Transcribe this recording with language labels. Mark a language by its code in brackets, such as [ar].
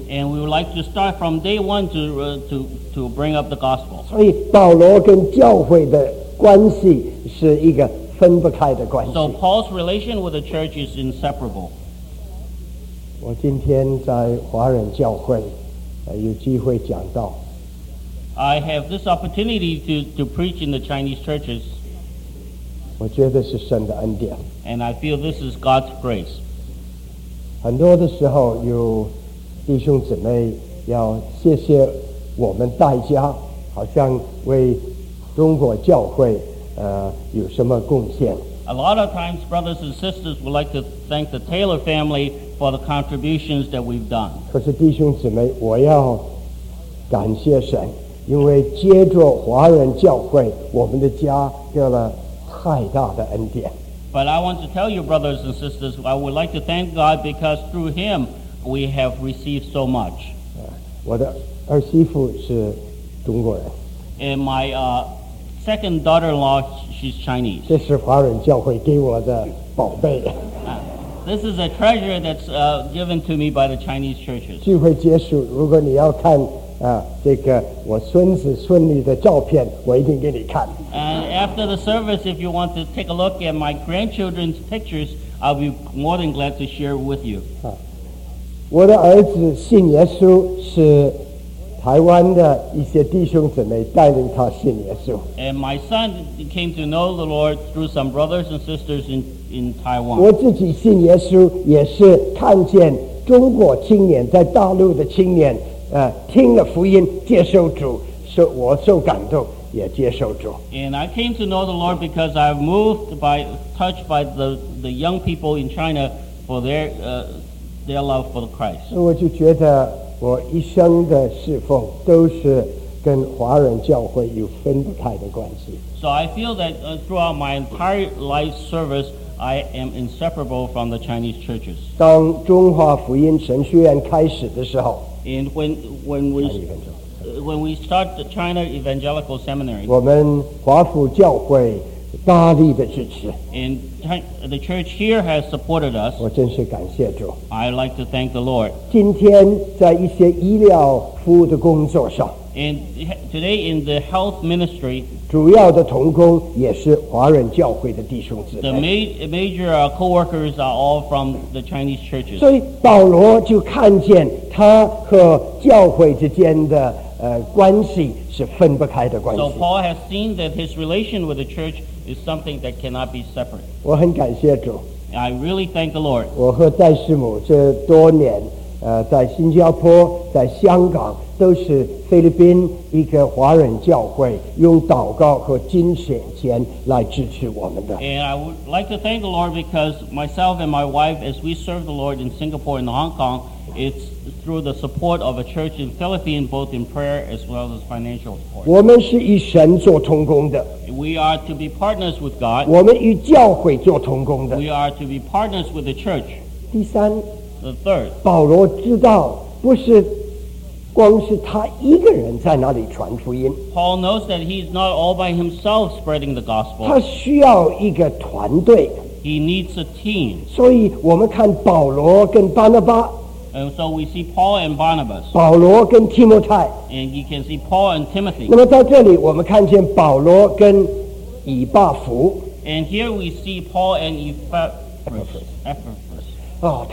[en] And we would like to start from day one to bring up the gospel. [zh] 所以保罗跟教会的关系是一个分不开的关系。 [en] So Paul's relation with the church is inseparable. [zh] 我今天在华人教会有机会讲到。 [en] I have this opportunity to preach in the Chinese churches. [zh] 我觉得是神的恩典。 [en] And I feel this is God's grace. [zh] 很多的时候有弟兄姊妹要谢谢我们大家，好像为中国教会有什么贡献。 [en] A lot of times brothers and sisters would like to thank the Taylor family for the contributions that we've done. [zh] 可是弟兄姊妹，我要感谢神，因为接着华人教会我们的家得了太大的恩典。 [en] But I want to tell you brothers and sisters, I would like to thank God because through him we have received so much. [zh] 我的儿媳妇是中国人。 [en] And my second daughter-in-law, she's Chinese. [zh] 这是华人教会给我的宝贝。 [en] This is a treasure that's given to me by the Chinese churches. [zh] 聚会结束，如果你要看这个我孙子孙女的照片，我一定给你看。 [en] And after the service, if you want to take a look at my grandchildren's pictures, I'll be more than glad to share with you. [zh] 我的儿子信耶稣是台湾的一些弟兄姊妹带领他信耶稣。 [en] And my son came to know the Lord through some brothers and sisters in Taiwan. [zh] 我自己信耶稣也是看见中国青年在大陆的青年听了福音接受主，受我受感动也接受主。 [en] And I came to know the Lord because I was moved by touched by the young people in China for their love for Christ. [zh] 我就觉得我一生的侍奉都是跟华人教会有分不开的关系。 [en] So I feel that throughout my entire life service, I am inseparable from the Chinese churches. [zh] 当中华福音神学院开始的时候 [en] ，and when we start the China Evangelical Seminary, [zh] 我们华府教会大力的支持。 [en] And the church here has supported us. [zh] 我真是感谢主。 [en] I'd like to thank the Lord. [zh] 今天在一些医疗服务的工作上。 [en] And today in the health ministry. [zh] 主要的同工也是华人教会的弟兄姊妹。 [en] The major co-workers are all from the Chinese churches. [zh] 所以保罗就看见他和教会之间的关系是分不开的关系。 [en] So Paul has seen that his relation with the church is something that cannot be separate. [zh] 我很感谢主。 [en] I really thank the Lord. [zh] 我和戴师母这多年，在新加坡、在香港，都是菲律宾一个华人教会用祷告和金钱来支持我们的。 [en] And I would like to thank the Lord because myself and my wife, as we serve the Lord in Singapore and Hong Kong, it's through the support of a church in Philippines, both in prayer as well as financial support. [zh] 我们是与神做同工的。 [en] We are to be partners with God. [zh] 我们与教会做同工的。 [en] We are to be partners with the church. [zh] 第三 [en] The third. [zh] 保罗知道不是光是他一个人在那里传福音。 [en] Paul knows that he's not all by himself spreading the gospel. [zh] 他需要一个团队。 [en] He needs a team. [zh] 所以我们看保罗跟巴拿巴。 [en] And so we see Paul and Barnabas. [zh] 保罗跟提摩太。 [en] And you can see Paul and Timothy. [zh] 那么在这里我们看见保罗跟以巴弗。 [en] And here we see Paul and Epaphras.